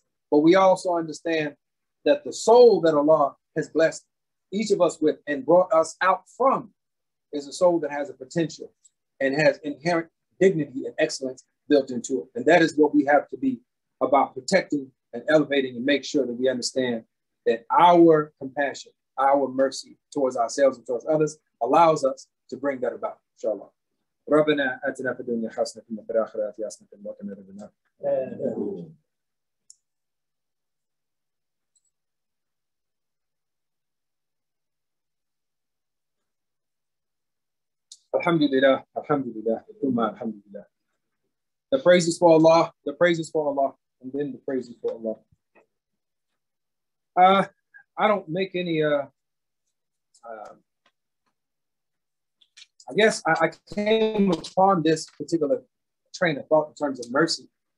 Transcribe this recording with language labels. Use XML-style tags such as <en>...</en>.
<en>But we also understand that the soul that Allah has blessed each of us with and brought us out from is a soul that has a potential and has inherent dignity and excellence built into it. And that is what we have to be about protecting and elevating and make sure that we understand that our compassion, our mercy towards ourselves and towards others allows us to bring that about, inshallah.</en> <ar>ربنا آتنا في الدنيا حسنة ثم في الآخرة حسنة وقنا عذاب النار. الحمد لله الحمد لله ثم الحمد لله.</ar> <en>The praises for Allah, the praises for Allah, and then the praises for Allah. I don't make any I guess I came upon this particular train of thought in terms of mercy.</en>